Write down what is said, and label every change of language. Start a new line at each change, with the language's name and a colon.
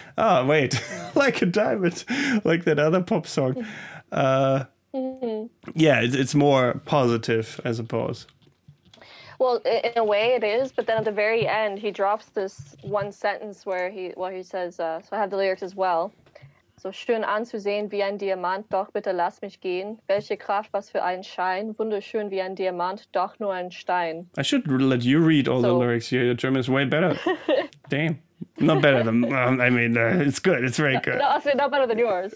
English: Oh, wait, like a diamond, like that other pop song. It's more positive, I suppose. Well, in a way it is, but then at the very end, he drops this one sentence where he says, so I have the lyrics as well.
German: So schön anzusehen wie ein Diamant, doch bitte lass mich gehen. Welche Kraft, was für ein Schein. Wunderschön wie ein Diamant, doch nur ein Stein.
English: I should let you read all the lyrics. Yeah, your German is way better. Damn. Not better than, I mean, it's good. It's very good. No, not better than yours.